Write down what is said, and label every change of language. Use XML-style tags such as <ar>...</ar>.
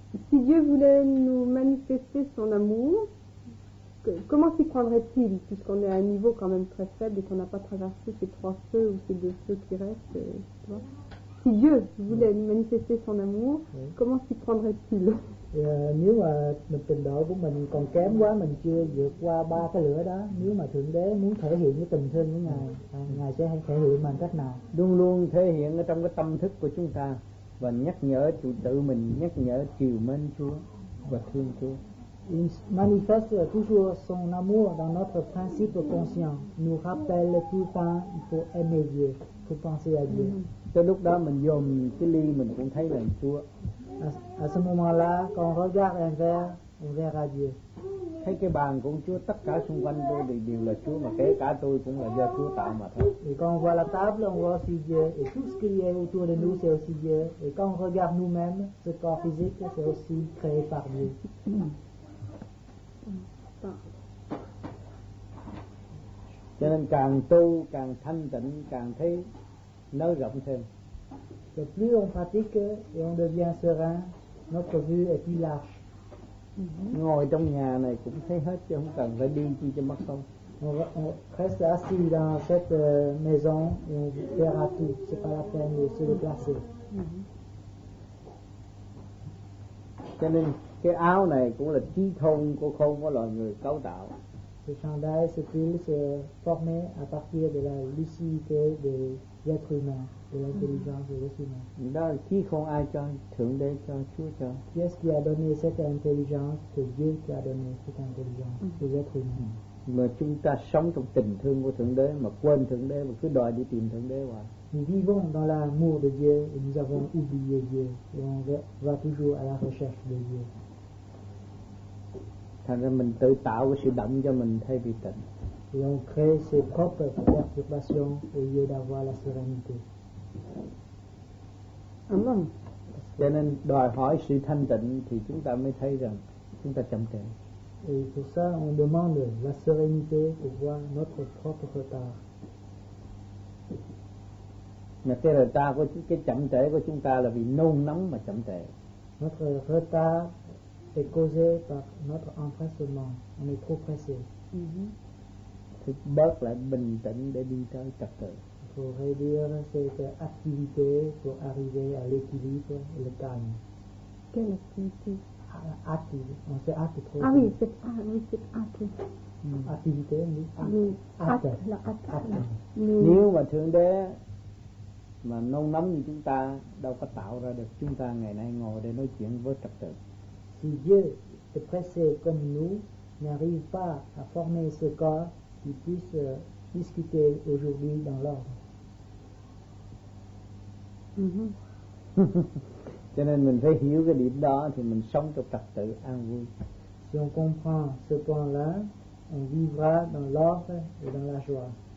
<fr>Si Dieu voulait nous manifester son amour, comment s'y prendrait-il, puisqu'on est à un niveau quand même très faible et qu'on n'a pas traversé ces trois feux ou ces deux feux qui restent, tu vois? Si Dieu voulait manifester son amour, comment s'y prendrait-il?</fr> <vi>Nếu mà mình trình độ của mình còn kém quá, mình chưa vượt qua ba cái lửa đó, nếu mà Thượng Đế muốn thể hiện cái tình thương của Ngài, Ngài sẽ thể hiện bằng cách nào? Luôn luôn thể hiện ở trong cái tâm thức của chúng ta và nhắc nhở chủ tự mình, nhắc nhở chiều mến Chúa và thương Chúa.</vi> <fr>Il manifeste toujours son amour dans notre principe conscient, nous rappelle tout le temps, il faut aimer Dieu, faut penser à Dieu.</fr> <vi>Tới lúc đó mình dùng cái ly, mình cũng thấy là Chúa.</vi> <fr>À ce moment-là, quand on regarde un verre, on verra Dieu.</fr> <vi>Thấy cái bàn cũng Chúa, tất cả xung quanh tôi thì đều là Chúa, mà kể cả tôi cũng là do Chúa tạo mà thôi.</vi> <fr>Et quand on voit la table, on voit aussi Dieu, et tout ce qui est autour de nous, c'est aussi Dieu. Et quand on regarde nous-mêmes, ce corps physique, c'est aussi créé par Dieu.</fr> <vi>Cho nên càng tu, càng thanh tịnh, càng thấy nới rộng thêm.</vi> <fr>Le plus on pratique et on devient serein, notre vue est plus large.</fr> <vi>Ngồi trong nhà này cũng thấy hết chứ không cần phải đi chi cho mắt không.</vi> <fr>On reste assis dans cette maison et on verra tout. C'est pas la peine de se déplacer.</fr> <vi>Cho nên cái áo này cũng là trí thông của khôn của loài người cấu tạo.</vi> <fr>Ce chandail, ce pull se formé à partir de la lucidité de l'être humain.</fr> <vi>Đó là trí khôn ai cho? Thượng Đế cho, Chúa cho.</vi> <fr>Yes, qui a donné cette intelligence? C'est Dieu qui a donné cette intelligence aux êtres humains.</fr> <vi>Mà chúng ta sống trong tình thương của Thượng Đế mà quên Thượng Đế mà cứ đòi đi tìm Thượng Đế hoài.</vi> <fr>Nous vivons dans l'amour de Dieu et nous avons oublié Dieu et on va toujours à la recherche de Dieu.</fr> <vi>Thành ra mình tự tạo cái sự động cho mình thay vì tịnh.</vi> <fr>Et on crée ses propres perturbations au lieu d'avoir la sérénité.</fr> <vi>Cho nên đòi hỏi sự thanh tịnh thì chúng ta mới thấy rằng chúng ta chậm trễ.</vi> <fr>Et pour ça, on demande la sérénité pour voir notre propre retard.</fr> <vi>Mà cái retard của cái chậm trễ của chúng ta là vì nôn nóng mà chậm trễ.</vi> <fr>Notre retard est causé par notre empressement. On est trop pressé.</fr> <vi>Thì bớt lại bình tĩnh để đi tới trật tự.</vi> <fr>Pour réduire cette activité pour arriver à l'équilibre et le calme. Quelle activité? Active. On se hâte trop. Ah oui, c'est hâte. Ah, oui, activité, oui. Hâte. Hâte. Hâte.</fr> <vi>Nếu mà Thượng Đế mà nôn nóng như chúng ta, đâu có tạo ra được chúng ta ngày nay ngồi để nói chuyện với trật tự.</vi> <fr>Si Dieu est pressé comme nous, n'arrive pas à former ce corps qui puisse discuter aujourd'hui dans l'ordre.</fr> <vi>Cho nên mình phải hiểu cái điểm đó thì mình sống trong trật tự an vui.</vi> <fr>Si on comprend ce point-là, on vivra dans l'ordre et dans la joie.</fr>